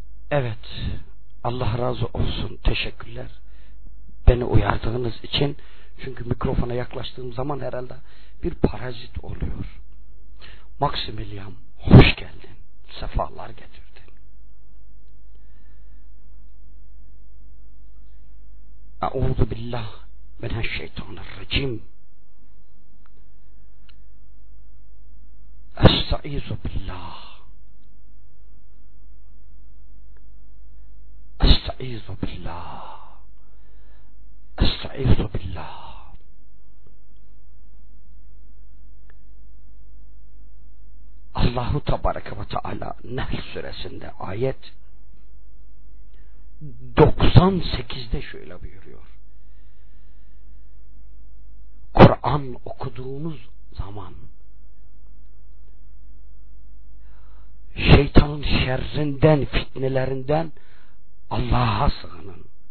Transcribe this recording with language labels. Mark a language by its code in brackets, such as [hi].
[tr] Evet, Allah razı olsun, teşekkürler beni uyardığınız için. Çünkü mikrofona yaklaştığım zaman herhalde bir parazit oluyor. Maximilian, hoş geldin, sefalar getir. [ar] أعوذ بالله من الشيطان الرجيم. أستعيذ بالله. أستعيذ بالله. أستعيذ بالله. الله تبارك وتعالى نحل سورة آية 90 [tr] 98'de şöyle buyuruyor: Kur'an okuduğunuz zaman şeytanın şerrinden, fitnelerinden Allah'a sığının.